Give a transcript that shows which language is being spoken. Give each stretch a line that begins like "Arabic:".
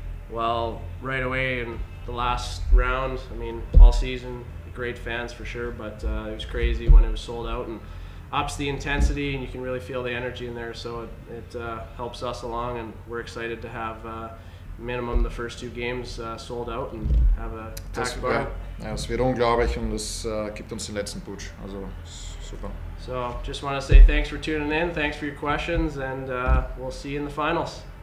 English: Well, right away in the last round, I mean, all season, great fans for sure, but it was crazy when it was sold out, and ups the intensity, and you can really feel the energy in there, so it helps us along, and we're excited to have minimum the first two games sold out and have a packed bar.
German: Ja, es wird unglaublich und es gibt uns den letzten Putsch. Also super.
English: So, just want to say thanks for tuning in, thanks for your questions, and we'll see you in the finals.